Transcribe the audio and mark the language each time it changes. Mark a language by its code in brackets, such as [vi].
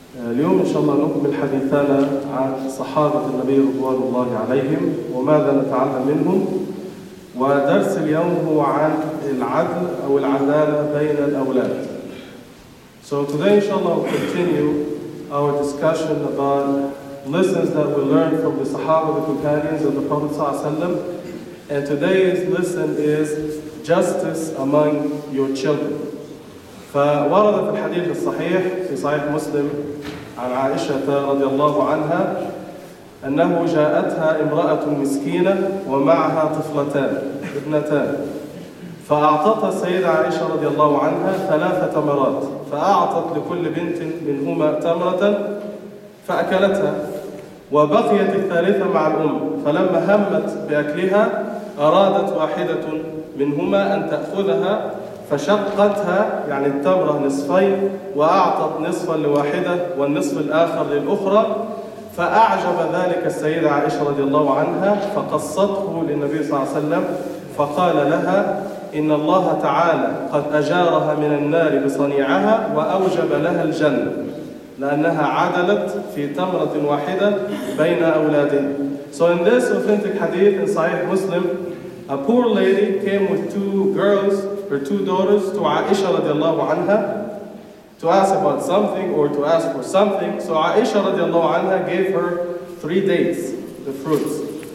[ar] اليوم إن شاء الله نكمل حديثنا عن صحابة النبي رضوان الله عليهم وماذا نتعلم منهم. ودرس اليوم هو عن العدل أو العدالة بين الأولاد. [en] So today inshallah we'll continue our discussion about lessons that we learned from the Sahaba, the companions of the Prophet صلى الله عليه وسلم. And today's lesson is justice among your children. [ar] فورد في الحديث الصحيح في صحيح مسلم عن عائشة رضي الله عنها أنه جاءتها امرأة مسكينة ومعها طفلتان ابنتان فأعطت السيدة عائشة رضي الله عنها ثلاث تمرات فأعطت لكل بنت منهما تمرة فأكلتها وبقيت الثالثة مع الأم فلما همت بأكلها أرادت واحدة منهما أن تأخذها فشقتها يعني التمرة نصفين وأعطت نصفا لواحدة والنصف الآخر للأخرى فأعجب ذلك السيدة عائشة رضي الله عنها فقصته للنبي صلى الله عليه وسلم فقال لها إن الله تعالى قد أجارها من النار بصنيعها وأوجب لها الجنة لأنها عدلت في تمرة واحدة بين أولادها. [en] So in this authentic hadith in Sahih Muslim, a poor lady came with two girls, her two daughters, to Aisha radiallahu anha to ask about something or to ask for something. So Aisha radiallahu anha gave her three dates, the fruits.